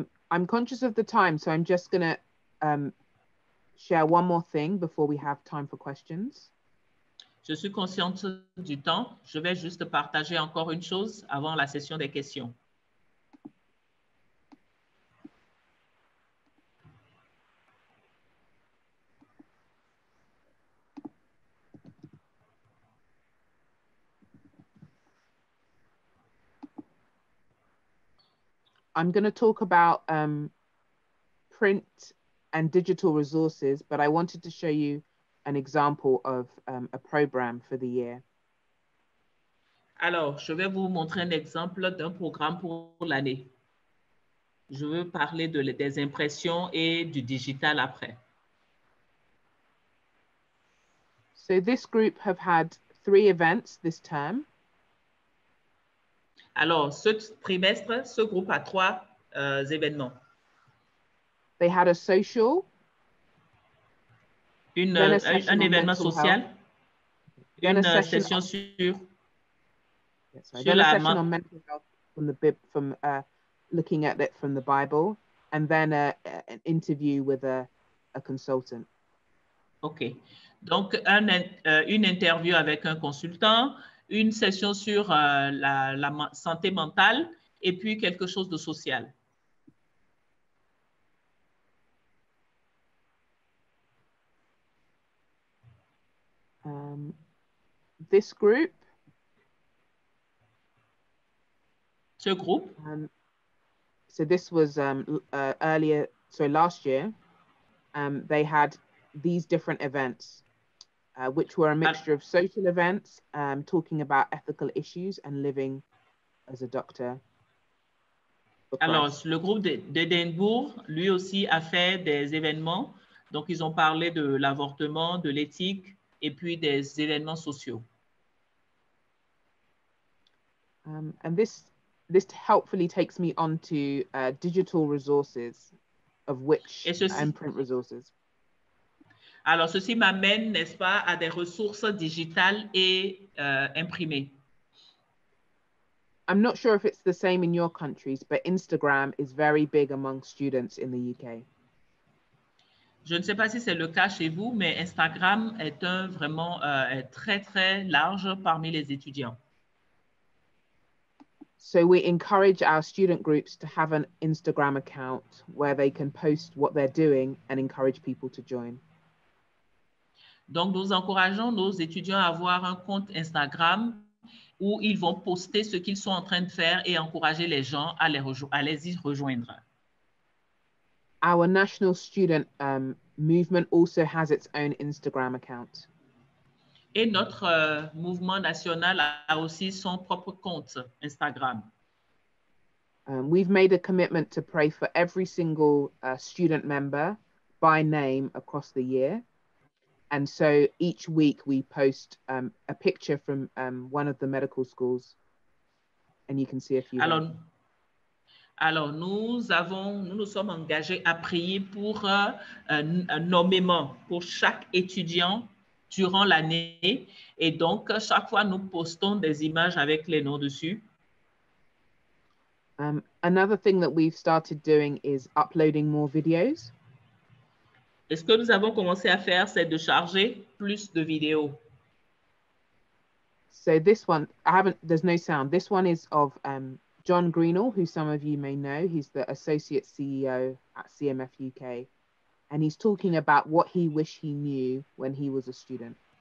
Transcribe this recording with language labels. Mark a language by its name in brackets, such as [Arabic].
[English] I'm conscious of the time, so I'm just going to share one more thing before we have time for questions. [French] Je suis consciente du temps. Je vais juste partager encore une chose avant la session des questions. [English] I'm going to talk about print and digital resources, but I wanted to show you an example of a program for the year. [French] Alors, je vais vous montrer un exemple d'un programme pour l'année. Je veux parler des impressions et du digital après. [English] So this group have had three events this term. [French] Alors, ce trimestre se groupe à trois événements. [English] They had a social. [French] Un événement social. Une session sur. [English] Then a session on mental health looking at it from the Bible, and then an interview with a consultant. OK. [French] Donc, une interview avec un consultant, une session sur la santé mentale, et puis quelque chose de social. [English] This group. [French] Ce groupe. [English] So this was earlier, so last year, they had these different events, which were a mixture of social events, talking about ethical issues and living as a doctor. [French] Alors, le groupe d'Edinburgh, lui aussi, a fait des événements. Donc, ils ont parlé de l'avortement, de l'éthique, et puis des événements sociaux. [English] And this helpfully takes me on to digital resources, of which and print resources. [French] Alors, ceci m'amène, n'est-ce pas, à des ressources digitales et imprimées. [English] I'm not sure if it's the same in your countries, but Instagram is very big among students in the UK. [French] Je ne sais pas si c'est le cas chez vous, mais Instagram est vraiment très, très large parmi les étudiants. [English] So we encourage our student groups to have an Instagram account where they can post what they're doing and encourage people to join. [French] Donc, nous encourageons nos étudiants à avoir un compte Instagram où ils vont poster ce qu'ils sont en train de faire et encourager les gens à les y rejoindre. [English] Our National Student Movement also has its own Instagram account. [French] Et notre mouvement national a aussi son propre compte Instagram. [English] We've made a commitment to pray for every single student member by name across the year. And so each week we post a picture from one of the medical schools, and you can see a few. [French] Alors nous sommes engagés à prier pour nommément pour chaque étudiant durant l'année, et donc chaque fois nous postons des images avec les noms dessus. [English] Another thing that we've started doing is uploading more videos. [French] Et ce que nous avons commencé à faire, c'est de charger plus de vidéos. [English] So this one, there's no sound. This one is of John Greenall, who some of you may know. He's the associate CEO at CMF UK. And he's talking about what he wished he knew when he was a student.